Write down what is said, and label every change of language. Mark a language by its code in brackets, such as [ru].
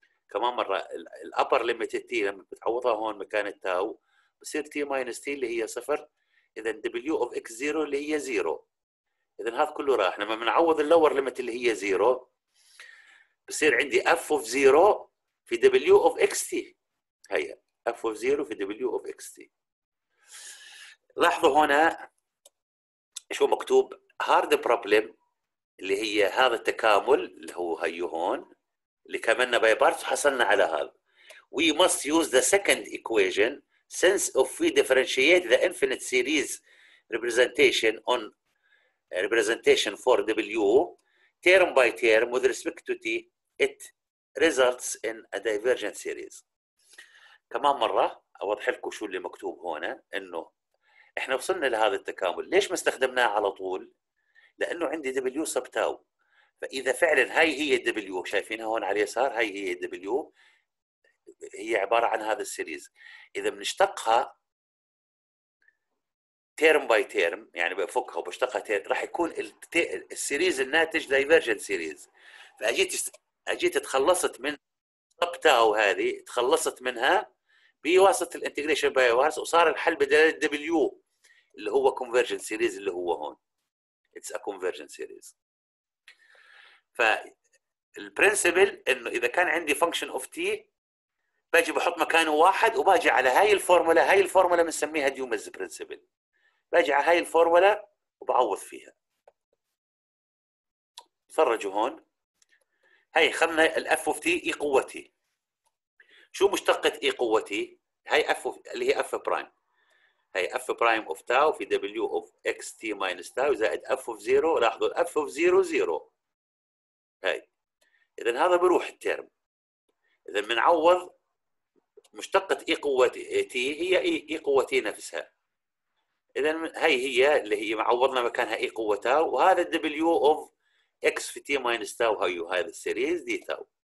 [ar] كمان مرة الـ upper limit T لما بتعوضها هون مكان التاو بصير T minus T اللي هي 0 إذا W of X0 اللي هي 0 إذا هذا كله راح. لما بنعوض الـ lower limit اللي هي 0 بصير عندي F of 0 في W of XT. هيا F of 0 في W of XT. لاحظوا هنا شو مكتوب [en] hard problem [ar] اللي هي هذا التكامل اللي هو هيو هون اللي كملنا باي بارتس وحصلنا على هذا. [en] We must use the second equation since if we differentiate the infinite series representation on representation for W term by term with respect to T it results in a divergent series. [ar] كمان مرة أوضح لكم شو اللي مكتوب هنا، إنه إحنا وصلنا لهذا التكامل ليش ما استخدمناه على طول؟ لانه عندي دبليو سب تاو، فاذا فعلا هاي هي الدبليو شايفينها هون على اليسار هاي هي الدبليو هي عباره عن هذا السيريز. اذا بنشتقها تيرم باي تيرم يعني بفكها وبشتقها تيرم راح يكون السيريز الناتج دايفرجنت سيريز. فاجيت تخلصت من سب تاو هذه تخلصت منها بواسطه الانتجريشن باي بارتس وصار الحل بدلاله دبليو اللي هو كونفرجنت سيريز اللي هو هون. [en] It's a convergent series. [ar] فالبرنسبل انه اذا كان عندي function of t باجي بحط مكانه واحد وباجي على هاي الفورمولا، هاي الفورمولا بنسميها ديومز برنسبل، باجي على هاي الفورمولا وبعوض فيها. تفرجوا هون هاي خلنا ال f of t e قوة t. شو مشتقة e قوة t؟ هاي f of, اللي هي f برايم، هي f prime of tau في w of x t minus tau زائد f of 0. لاحظوا f of 0 0 هاي، اذا هذا بروح الترم. اذا بنعوض مشتقة e قوة t هي e قوة t نفسها. اذا هاي هي اللي هي معوضنا مكانها e قوة tau، وهذا w of x في t minus tau هي هذا السيريز دي tau.